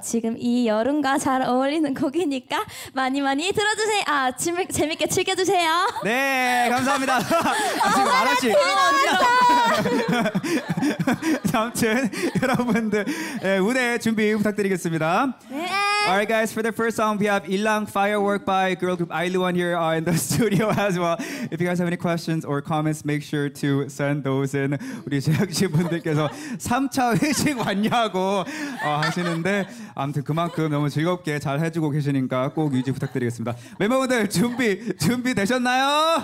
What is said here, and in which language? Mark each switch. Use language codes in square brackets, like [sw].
[ko] 지금 이 여름과 잘 어울리는 곡이니까 많이 많이 들어주세요. 아, 재밌게 즐겨주세요. 네, 감사합니다. 아, 지금 알았지. 아무튼 여러분들 예, 무대 준비 부탁드리겠습니다. 네. [en] Alright, guys. For the first song, we have "Ilang Firework" by girl group Ailuan here in the studio as well. If you guys have any questions or comments, make sure to send those in. [ko] 우리 제작진분들께서 3차 회식 왔냐고 하시는데 아무튼 그만큼 너무 즐겁게 잘 해주고 계시니까 꼭 유지 부탁드리겠습니다. 멤버분들 준비 되셨나요?